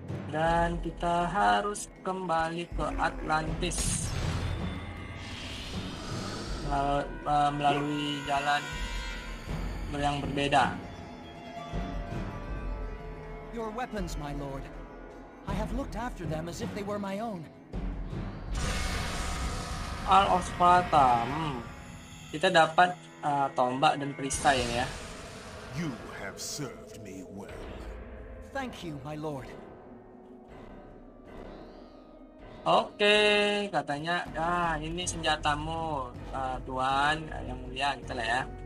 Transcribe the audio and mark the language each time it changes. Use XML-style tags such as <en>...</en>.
<id>Dan kita harus kembali ke Atlantis melalui jalan yang berbeda.</id> <en>Your weapons, my lord. I have looked after them as if they were my own. All of Sparta.</en> <id>Kita dapat tombak dan perisai ini ya.</id> <en>You have served me well. Thank you, my lord.</en> <id>Oke, okay, katanya, ini senjatamu, tuan yang mulia, gitulah ya.</id>